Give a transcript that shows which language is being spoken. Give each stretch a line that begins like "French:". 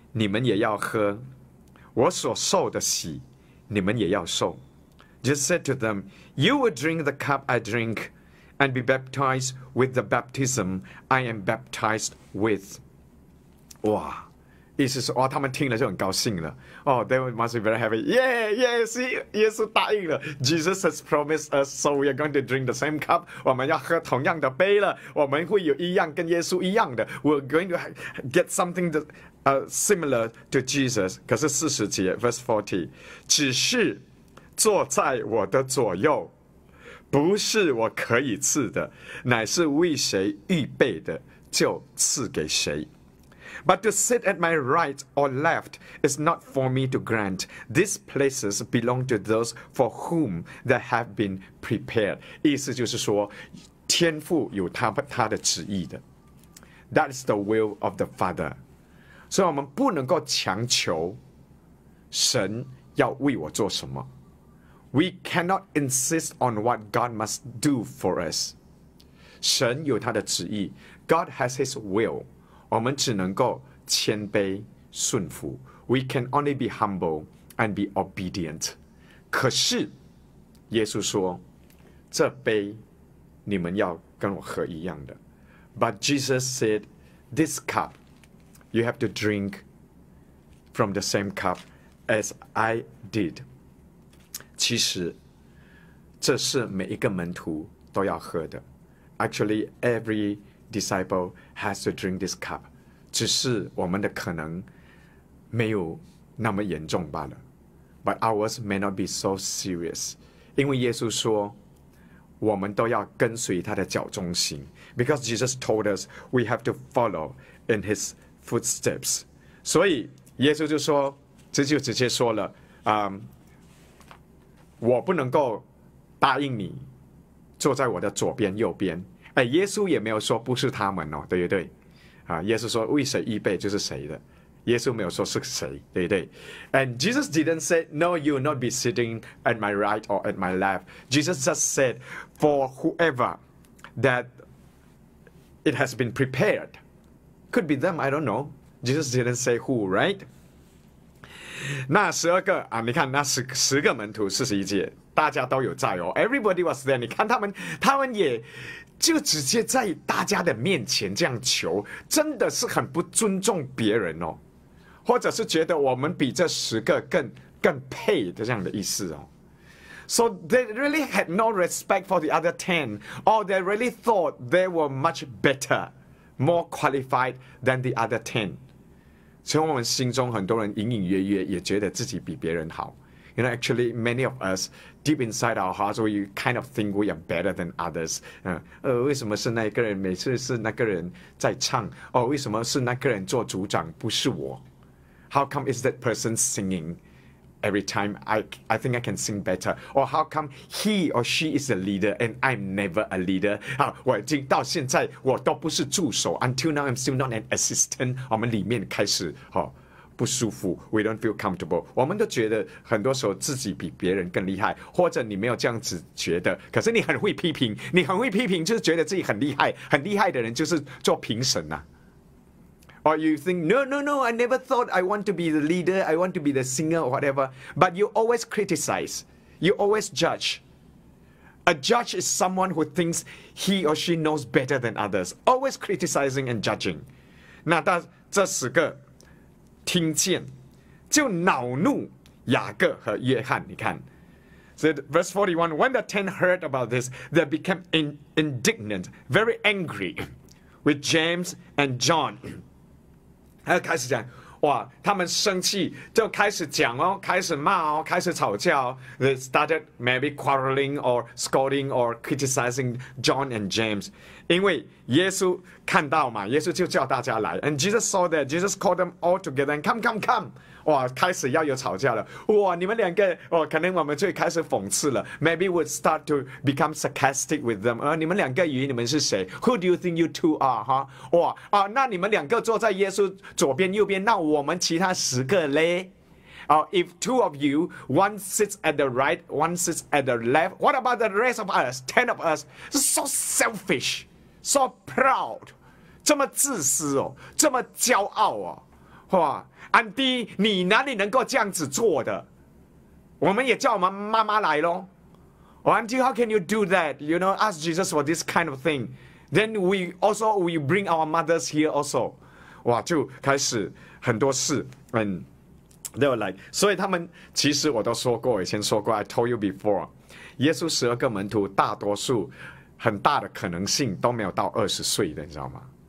Chinese: 你们也要喝，我所受的洗，你们也要受。
English: Just said to them, "You will drink the cup I drink, and be baptized with the baptism I am baptized with."
Chinese: 哇，意思是哇，他们听了就很高兴了。
English: Oh, they must be very happy. Yeah, yeah. See,
Chinese: 耶稣答应了。
English: Jesus has promised us, so we are going to drink the same cup.
Chinese: 我们要喝同样的杯了。我们会有一样跟耶稣一样的。
English: We're going to get something that. Similar to Jesus,
Chinese: 可是四十节
English: verse 40,
Chinese: 只是坐在我的左右，不是我可以赐的，乃是为谁预备的，就赐给谁。
English: But to sit at my right or left is not for me to grant. These places belong to those for whom they have been prepared.
Chinese: 意思就是说，天父有他的旨意的。
English: That is the will of the Father.
Chinese: 所以我们不能够强求神要为我做什么。
English: We cannot insist on what God must do for us.
Chinese: 神有他的旨意。
English: God has his will.
Chinese: 我们只能够谦卑顺服。
English: We can only be humble and be obedient.
Chinese: 可是耶稣说，这杯你们要跟我喝一样的。
English: But Jesus said, this cup, you have to drink from the same cup as I did.
Chinese: 其实这是每一个门徒都要喝的。
English: Actually, every disciple has to drink this cup.
Chinese: 只是我们的可能没有那么严重罢了。
English: But ours may not be so serious.
Chinese: 因为耶稣说，我们都要跟随他的脚中心。
English: Because Jesus told us we have to follow in his footsteps.
Chinese: 所以耶稣就说，就直接说了，我不能够答应你坐在我的左边右边。哎，耶稣也没有说不是他们哦，对不对？耶稣说为谁预备就是谁的，耶稣没有说是谁，对不对？
English: And Jesus didn't say, no, you will not be sitting at my right or at my left. Jesus just said, for whoever that it has been prepared. Could be them, I don't know. Jesus didn't say who, right?
Chinese: 那十二个啊，你看那十个门徒，四十一节，大家都有在哦。
English: Everybody was there.
Chinese: 你看他们也就直接在大家的面前这样求，真的是很不尊重别人哦。或者是觉得我们比这十个更配的这样的意思哦。
English: So they really had no respect for the other ten, or they really thought they were much better, more qualified than the other ten.
Chinese: 所以我们心中很多人隐隐约约也觉得自己比别人好。
English: You know, actually, many of us, deep inside our hearts, we kind of think we are better than others.
Chinese: 为什么是那个人每次是那个人在唱？哦，为什么是那个人做组长不是我？
English: How come is that person singing every time? I think I can sing better. Or how come he or she is a leader and I'm never a leader?
Chinese: 我已经到现在我都不是助手。
English: Until now, I'm still not an assistant.
Chinese: 我们里面开始不舒服。
English: We don't feel comfortable.
Chinese: 我们都觉得很多时候自己比别人更厉害，或者你没有这样子觉得，可是你很会批评，你很会批评，就是觉得自己很厉害。很厉害的人就是做评审啊。
English: Or you think, no, no, no, I never thought I want to be the leader, I want to be the singer or whatever. But you always criticize, you always judge. A judge is someone who thinks he or she knows better than others. Always criticizing and judging.
Chinese: 那这十个听见就恼怒雅各和约翰，你看。
English: So verse 41, when the ten heard about this, they became indignant, very angry with James and John.
Chinese: 他就开始讲，哇，他们生气，就开始讲哦，开始骂哦，开始吵架哦。
English: They started maybe quarreling or scolding or criticizing John and James.
Chinese: 因为耶稣看到嘛，耶稣就叫大家来。
English: And Jesus saw that, Jesus called them all together and come, come, come.
Chinese: 哇，开始要有吵架了。哇，你们两个，哦，可能我们就开始讽刺了。
English: Maybe we'll start to become sarcastic with them.
Chinese: 你们两个鱼，你们是谁？
English: Who do you think you two are? Huh?
Chinese: 哇，啊，那你们两个坐在耶稣左边右边，那我们其他十个勒？
English: If two of you, one sits at the right, one sits at the left, what about the rest of us, ten of us? So selfish, so proud,
Chinese: 这么自私哦，这么骄傲哦。哇，安迪，你哪里能够这样子做的？我们也叫我们妈妈来咯。
English: Andy, how can you do that? You know, ask Jesus for this kind of thing. Then we bring our mothers here also.
Chinese: 哇，就开始很多事。
English: And they were like,
Chinese: 所以他们其实我都说过，以前说过 ，
English: I told you before，
Chinese: 耶稣十二个门徒大多数很大的可能性都没有到二十岁的，你知道吗？